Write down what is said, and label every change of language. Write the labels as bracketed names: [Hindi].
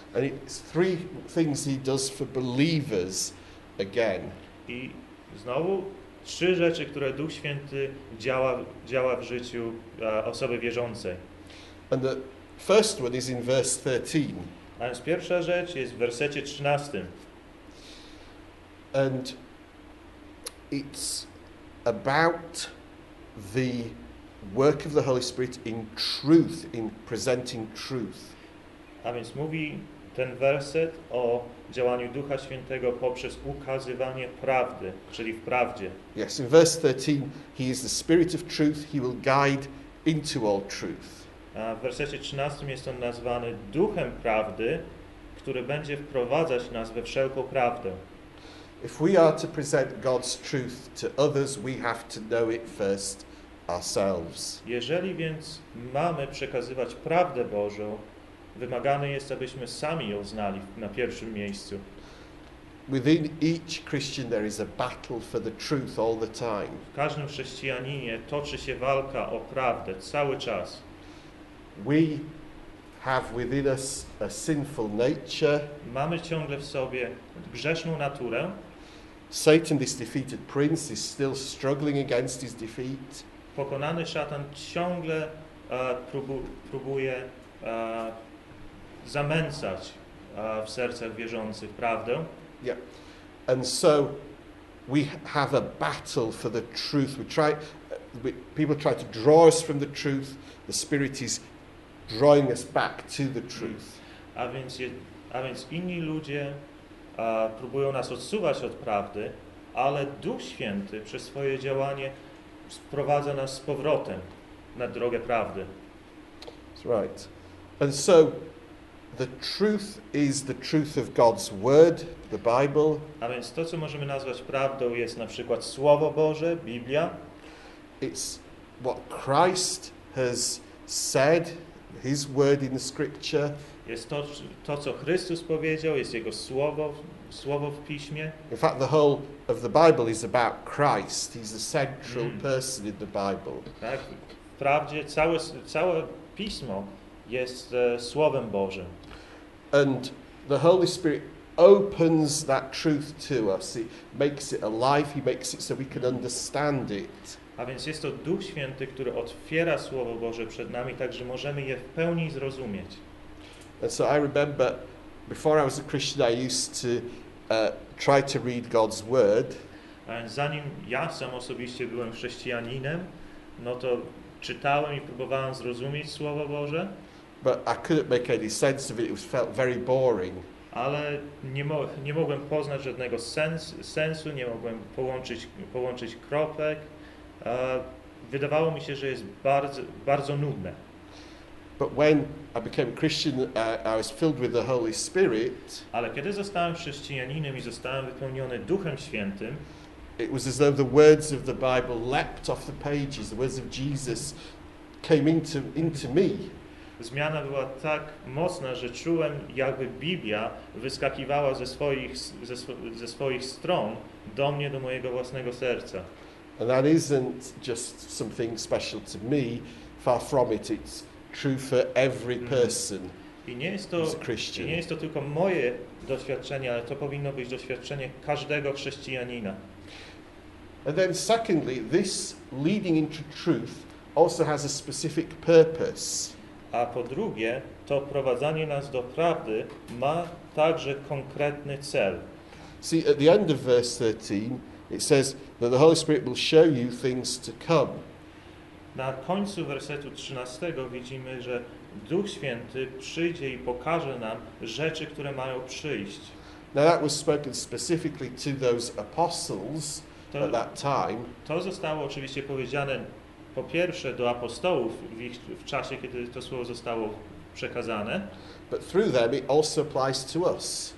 [English] And it's three things he does for believers again. [Polish] I znowu trzy rzeczy, które Duch Święty działa w życiu osoby wierzącej. [English] And the first one is in verse 13. [Polish] A więc pierwsza rzecz jest w wersecie 13. [English] And it's about the work of the Holy Spirit in truth, in presenting truth. [Polish] A więc mówi ten werset o działaniu Ducha Świętego poprzez ukazywanie prawdy, czyli w prawdzie. [English] Yes, in verse 13, he is the Spirit of truth, he will guide into all truth. [Polish] A w wersecie 13 jest on nazwany Duchem Prawdy, który będzie wprowadzać nas we wszelką prawdę. [English] If we are to present God's truth to others, we have to know it first ourselves. [Polish] Jeżeli więc mamy przekazywać prawdę Bożą, wymagane jest, abyśmy sami ją znali na pierwszym miejscu. [English] Within each Christian there is a battle for the truth all the time. [Polish] W każdym chrześcijaninie toczy się walka o prawdę cały czas. [English] We have within us a sinful nature. [Polish] Mamy ciągle w sobie grzeszną naturę. [English] Satan, this defeated prince, is still struggling against his defeat. [Polish] Pokonany szatan ciągle próbuje zamęcać w sercach wierzących prawdę. [English] Yeah. And so we have a battle for the truth. People try to draw us from the truth. The Spirit is drawing us back to the truth. [Polish] A więc inni ludzie próbują nas odsuwać od prawdy, ale Duch Święty przez swoje działanie sprowadza nas z powrotem na drogę prawdy. [English] That's right. And so the truth is the truth of God's word, the Bible. [Polish] A więc to, co możemy nazwać prawdą, jest na przykład Słowo Boże, Biblia. [English] It's what Christ has said, his word in the scripture. [Polish] Jest to, co Chrystus powiedział, jest jego słowo w piśmie. [English] In fact, the whole of the Bible is about Christ. He's the central person in the Bible. [Polish] Tak, wprawdzie całe pismo jest Słowem Bożym. [English] And the Holy Spirit opens that truth to us. He makes it alive. He makes it so we can understand it. [Polish] A więc jest to Duch Święty, który otwiera Słowo Boże przed nami, tak że możemy je w pełni zrozumieć. [English] And so I remember, before I was a Christian, I used to try to read God's Word. [Polish] Zanim ja sam osobiście byłem chrześcijaninem, no to czytałem i próbowałem zrozumieć Słowo Boże. [English] But I couldn't make any sense of it. It felt very boring. [Polish] Ale nie mogłem poznać żadnego sensu, nie mogłem połączyć kropek. Wydawało mi się, że jest bardzo, bardzo nudne. [English] But when I became a Christian, I was filled with the Holy Spirit. [Polish] Ale kiedy zostałem chrześcijaninem i zostałem wypełniony Duchem Świętym, [English] it was as though the words of the Bible leapt off the pages. The words of Jesus came into me. [Polish] Zmiana była tak mocna, że czułem, jakby Biblia wyskakiwała ze swoich stron do mnie, do mojego własnego serca. [English] And that isn't just something special to me. Far from it. It's true for every person. [Polish] I nie jest to, tylko moje doświadczenie, ale to powinno być doświadczenie każdego chrześcijanina. [English] And then secondly, this leading into truth also has a specific purpose. [Polish] A po drugie, to prowadzenie nas do prawdy ma także konkretny cel. [English] See, at the end of verse 13, it says that the Holy Spirit will show you things to come. [Polish] Na końcu wersetu 13 widzimy, że Duch Święty przyjdzie i pokaże nam rzeczy, które mają przyjść. [English] Now that was spoken specifically to those apostles to, at that time. [Polish] To zostało oczywiście powiedziane po pierwsze do apostołów w czasie, kiedy to słowo zostało przekazane. [English] But through them it also applies to us.